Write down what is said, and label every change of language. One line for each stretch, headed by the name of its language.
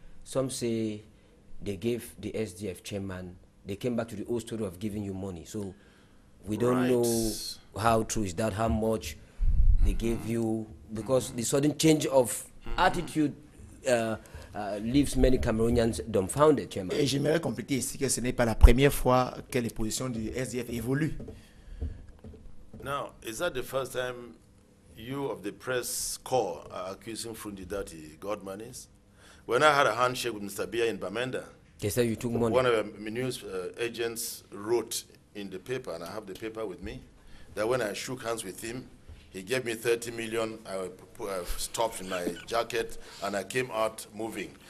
English: Some say they gave the SDF chairman, they came back to the old story of giving you money. So we don't know how true is that, how much they gave you, because the sudden change of attitude leaves many Cameroonians dumbfounded, Chairman.
French: Et j'aimerais compléter ici que ce n'est pas la première fois que les positions du SDF évoluent.
English: Now, is that the first time you of the press corps are accusing Fundi that he got monies? When I had a handshake with Mr. Biya in Bamenda, they said you took money. One of the news agents wrote in the paper, and I have the paper with me, that when I shook hands with him, he gave me 30 million, I stopped in my jacket, and I came out moving.